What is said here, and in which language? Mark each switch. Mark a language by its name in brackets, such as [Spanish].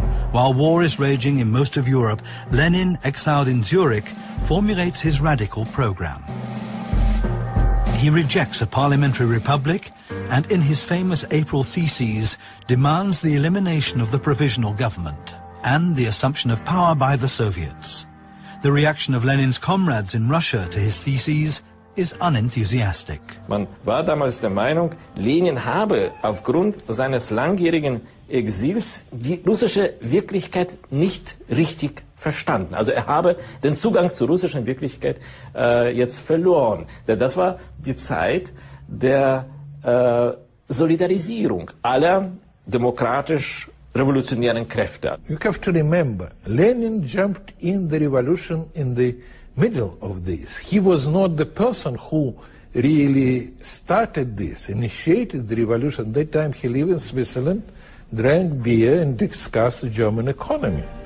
[English] While war is raging in most of Europe, Lenin, exiled in Zurich, formulates his radical program. He rejects a parliamentary republic and, in his famous April theses, demands the elimination of the provisional government and the assumption of power by the Soviets. The reaction of Lenin's comrades in Russia to his theses is unenthusiastic. [German] Man war damals der Meinung, Lenin habe aufgrund seines langjährigen Exils die russische Wirklichkeit nicht richtig verstanden. Also er habe den Zugang zur russischen Wirklichkeit jetzt verloren. Das war die Zeit der Solidarisierung aller demokratisch revolutionären Kräfte. [English] You have to remember, Lenin jumped in the revolution in the middle of this. He was not the person who really started this, initiated the revolution. That time he lived in Switzerland, drank beer and discussed the German economy.